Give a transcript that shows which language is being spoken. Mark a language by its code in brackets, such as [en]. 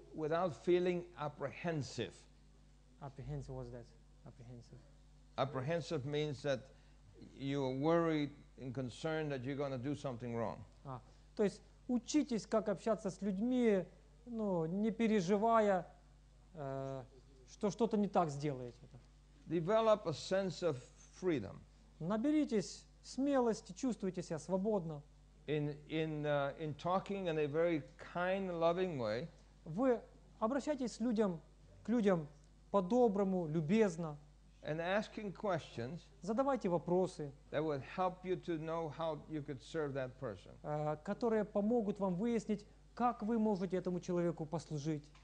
[en] Without feeling apprehensive. Apprehensive, what's that? Apprehensive. Apprehensive means that you are worried and concerned that you're going to do something wrong. [ru] А, то есть учитесь, как общаться с людьми. Ну, не переживая, что что-то не так сделаете. [en] Develop a sense of freedom. [ru] Наберитесь смелости, чувствуйте себя свободно. [en] In talking in a very kind, loving way. [ru] Вы обращайтесь к людям по-доброму, любезно. [en] And asking questions. [ru] Задавайте вопросы. [en] That would help you to know how you could serve that person. [ru] Которые помогут вам выяснить, как вы можете этому человеку послужить?